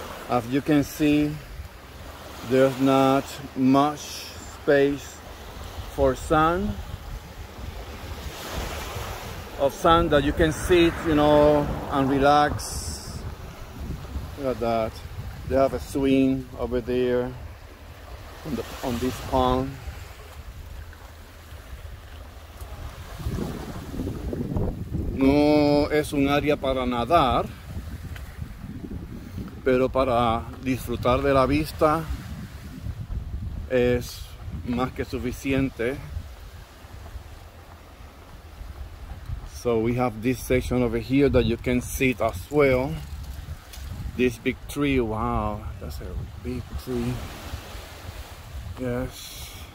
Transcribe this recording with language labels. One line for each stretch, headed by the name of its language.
English: As you can see, there's not much space for sun that you can sit, you know, and relax. Look at that. They have a swing over there on this pond.
Spanish: No es un área para nadar, pero para disfrutar de la vista es más que suficiente.
English: So we have this section over here that you can sit as well. This big tree, wow, that's a big tree. Yes.